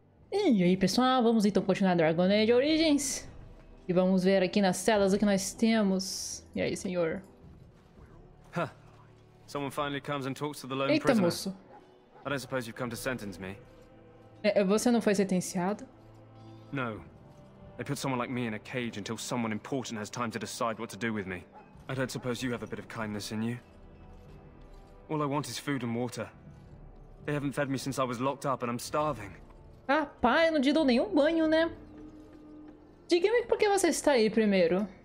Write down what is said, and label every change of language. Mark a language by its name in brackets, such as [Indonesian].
[Portuguese] E aí, pessoal, vamos então continuar Dragon Age Origins. E vamos ver aqui nas telas o que nós temos. E aí, senhor? [English] Someone finally comes and talks to the lone [Portuguese] Eita, [English] prisoner. [Portuguese] moço. [English] I don't suppose you've come to sentence me. [Portuguese] Você não foi sentenciado? [English] No. They put someone like me in a cage until someone important has time to decide what to do with me. I don't suppose you have a bit of kindness in you. All I want is food and water. They haven't fed me since I was locked up and I'm starving. [Portuguese] Rapaz, não te dou nenhum banho, né? Diga-me por que você está aí primeiro.